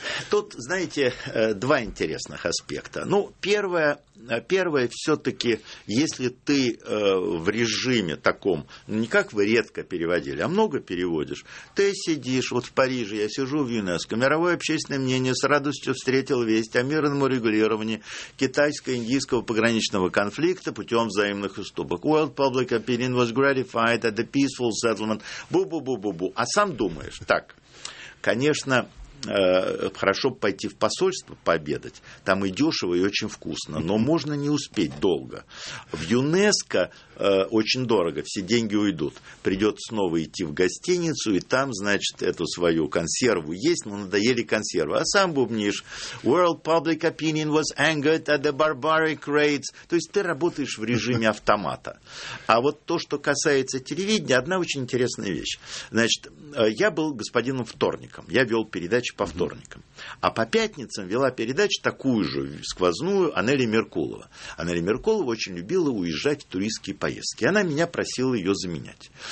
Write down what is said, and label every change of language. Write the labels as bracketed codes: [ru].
[ru] Тут, знаете, два интересных аспекта. Ну, первое все-таки, если ты в режиме таком, не как вы редко переводили, а много переводишь, ты сидишь, вот в Париже я сижу в ЮНЕСКО, мировое общественное мнение с радостью встретил весть о мирном урегулировании китайско-индийского пограничного конфликта путем взаимных уступок. [en] World public opinion was gratified at the peaceful settlement. Бу-бу-бу-бу-бу. [ru] А сам думаешь, так, конечно... хорошо пойти в посольство пообедать, там и дешево, и очень вкусно, но можно не успеть долго. В ЮНЕСКО очень дорого, все деньги уйдут. Придется снова идти в гостиницу, и там, значит, эту свою консерву есть, но надоели консервы. А сам бубнишь. [en] World public opinion was angered at the barbaric raids. [ru] То есть ты работаешь в режиме автомата. А вот то, что касается телевидения, одна очень интересная вещь. Значит, я был господином вторником. Я вел передачи по вторникам. А по пятницам вела передачу такую же, сквозную, Анелли Меркулова. Анелли Меркулова очень любила уезжать в туристские поездки. Она меня просила ее заменять.